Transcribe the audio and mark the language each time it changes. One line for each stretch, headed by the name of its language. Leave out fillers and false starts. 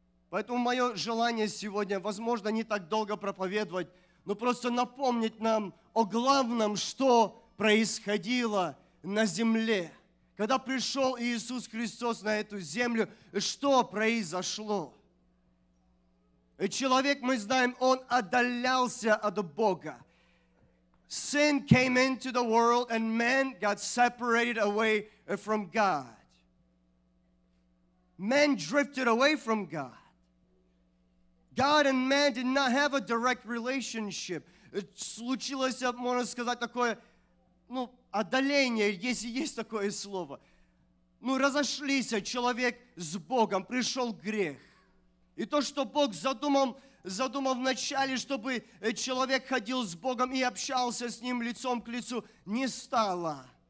Russian: Поэтому мое желание сегодня, возможно, не так долго проповедовать, но просто напомнить нам о главном, что происходило на земле. Когда пришел Иисус Христос на эту землю, что произошло? И человек, мы знаем, он отдалялся от Бога.
English: Sin came into the world and men got separated away from God. Men drifted away from God. God and man did not have a direct relationship.
Russian: Случилось, можно сказать, такое, ну, отдаление, если есть такое слово. Ну, разошлись человек с Богом, пришел грех. И то, что Бог задумал вначале, чтобы человек ходил с Богом и общался с Ним лицом к лицу, не стало.